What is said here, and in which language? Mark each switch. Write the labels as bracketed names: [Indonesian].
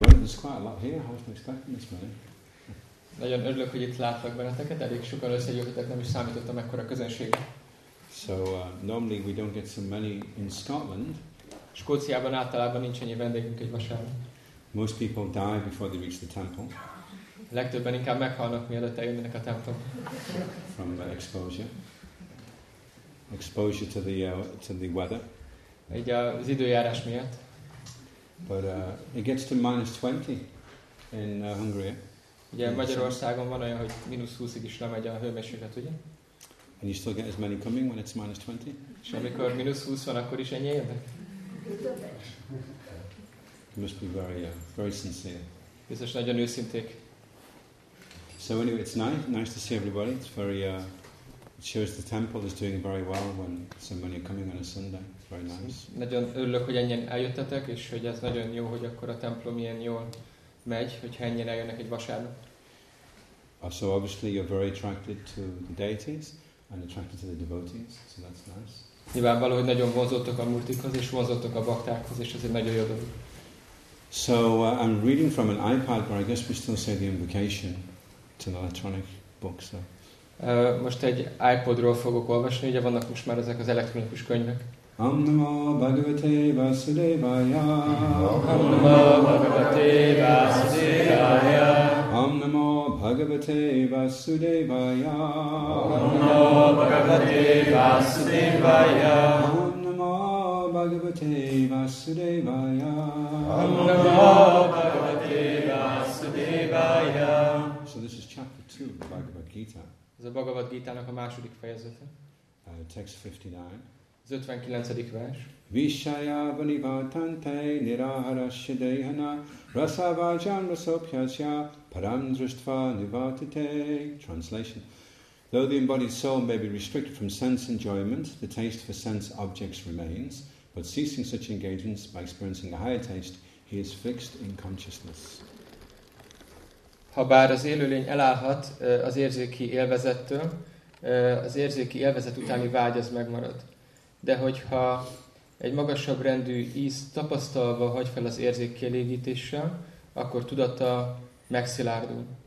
[English] is quite like here, I wasn't expecting this many. [Hungarian] Nagyon örülök, hogy itt látlak benneteket, elég sokan összegyűltetek, nem is számítottam ekkora közönség. [English] So normally we don't get so many in Scotland. [Hungarian] Skóciában általában nincs annyi vendégünk egy vasárnap. [English] Most people die before they reach the temple. [Hungarian] Legtöbben inkább meghalnak, mielőtt eljönnek a templom. [English] From exposure to the weather. [Hungarian] Így az időjárás miatt. [English] But it gets to minus 20 in Hungary. [Hungarian] Ugye Magyarországon van olyan, hogy minusz 20-ig is lemegy a hőmérséklet, ugye? [English] And you still get as many coming when it's minus 20? [Hungarian] És amikor minusz 20 van, akkor is ennyi jönnek? [English] You must be very sincere. [Hungarian] Biztos nagyon őszinték. [English] So anyway, it's nice to see everybody. It's very, it shows the temple is doing very well when so many are coming on a Sunday. It's very nice. [Hungarian] Nagyon örülök, hogy ennyien eljöttetek, és hogy ez nagyon jó, hogy akkor a templom ilyen jól megy, hogyha ennyien eljönnek egy vasárnap. [English] So obviously you're very attracted to the deities and attracted to the devotees, so that's nice. [Hungarian] Nyilvánvaló, hogy nagyon vonzottok a multikhoz, és vonzottok a baktákhoz, és ez egy nagyon jó dolog. [English] So I'm reading from an iPad, but I guess we still say the invocation. It's an electronic book, so. [Hungarian] Most egy iPodról fogok olvasni, ugye vannak most már ezek az elektronikus könyvek. [Sanskrit] Om namo bhagavate vasudevaya. Om namo bhagavate vasudevaya. Om namo bhagavate vasudevaya. Om namo bhagavate vasudevaya. Om namo bhagavate vasudevaya. Om namo bhagavate vasudevaya. [English] So this is chapter 2 of the Bhagavad Gita. [Hungarian] Ez a Bhagavad Gita-nak a második fejezete. [English] Text 59. [Hungarian] Az 59. vers. [Sanskrit] Visaya vanivatante niraharasya dehana rasavajan rasopyasya param drishtva nivatate. [English] Translation. Though the embodied soul may be restricted from sense enjoyment, the taste for sense objects remains, but ceasing such engagements by experiencing a higher taste, he is fixed in consciousness. [Hungarian] Ha bár az élőlény elállhat az érzéki élvezettől, az érzéki élvezet utáni vágy az megmarad. De hogyha egy magasabb rendű íz tapasztalva hagy fel az érzék kielégítéssel, akkor tudata megszilárdul.